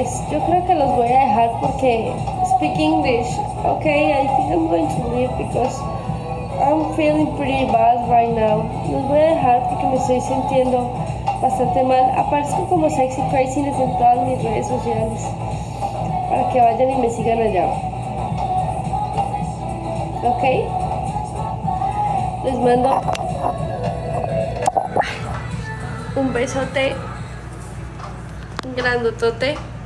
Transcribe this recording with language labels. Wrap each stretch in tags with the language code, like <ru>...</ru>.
<es>Yo creo que los voy a dejar porque</es> <en>speak English, okay? I think I'm going to leave because I'm feeling pretty bad right now.</en> <es>Los voy a dejar porque me estoy sintiendo bastante mal. Aparezco como Sexy Craziness en todas mis redes sociales para que vayan y me sigan allá, okay? Les mando un besote grandotote.</es>